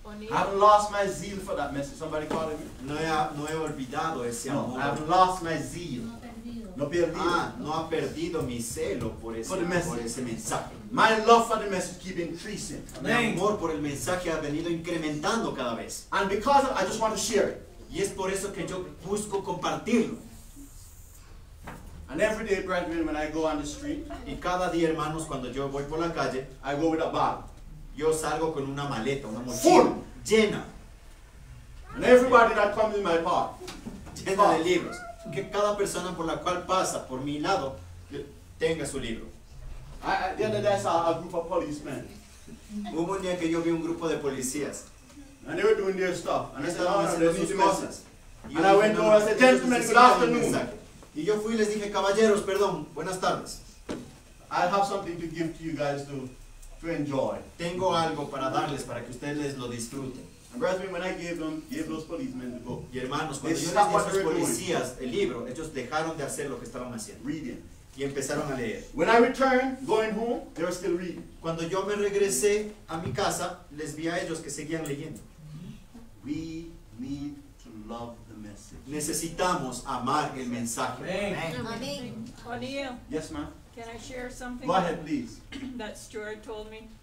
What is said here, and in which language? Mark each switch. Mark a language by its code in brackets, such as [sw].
[en] I've lost my zeal for that message. Somebody calling me. [es] No he olvidado ese amor. [en] No, I've lost my zeal. [es] No perdido. No perdido. Ah, no ha perdido mi celo por ese mensaje. [en] My love for the message keep increasing. Amen. [es] Mi amor por el mensaje ha venido incrementando cada vez. [en] And because I just want to share it. [es] Y es por eso que yo busco compartirlo. [en] And every day, brethren, when I go on the street, [es] y cada día, hermanos, cuando yo voy por la calle, [en] I go with a bag. [es] Yo salgo con una maleta, una mochila [en] full, [es] llena. [en] And everybody that comes in my park, [es] llena de libros. Que cada persona por la cual pasa por mi lado tenga su libro. [en] The other day I saw a group of policemen. [es] Hubo un día que yo vi un grupo de policías. [en] And they were doing their stuff. [es] And estaban haciendo sus cosas. [en] And I went over and said, gentlemen, good afternoon. [es] Y yo fui y les dije, caballeros, perdón, buenas tardes. [en] I have something to give to you guys to enjoy. [es] Tengo algo para darles para que ustedes lo disfruten. [en] And brethren, when I gave those policemen the book. [es] Y hermanos, cuando yo les di a esos policías el libro, ellos dejaron de hacer lo que estaban haciendo. [en] Reading. [es] Y empezaron a leer. [en] When I returned, going home, they were still reading. [es] Cuando yo me regresé a mi casa, les vi a ellos que seguían leyendo. [en] We need to love the message. [es] Necesitamos amar el mensaje. [en] Amen. Amen. Yes, ma'am. Can I share something? Go ahead, please. That Stuart told me.